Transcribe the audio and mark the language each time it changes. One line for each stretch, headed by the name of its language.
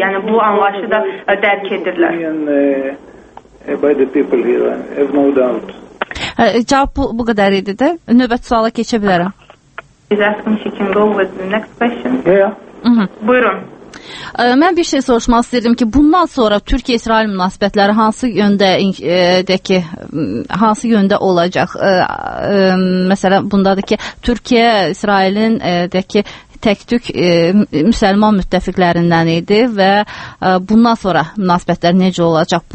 Azerbaijani: Yəni bu anlayışı da dərk edirlər.
English: By the people here, I have no doubt.
Azerbaijani: Cavab bu qədər idi də. Növbəti suala keçə bilərəm.
English: Is asking she can go with the next question? Yeah.
Azerbaijani: Buyurun. Mən bir şey soruşmaq istəyirdim ki, bundan sonra Türkiyə-İsrail münasibətləri hansı yöndə deki hansı yöndə olacaq? Məsələn, bundadır ki, Türkiyə İsrailin deki təktük müsəlman müttəfiqlərindən idi və bundan sonra münasibətlər necə olacaq?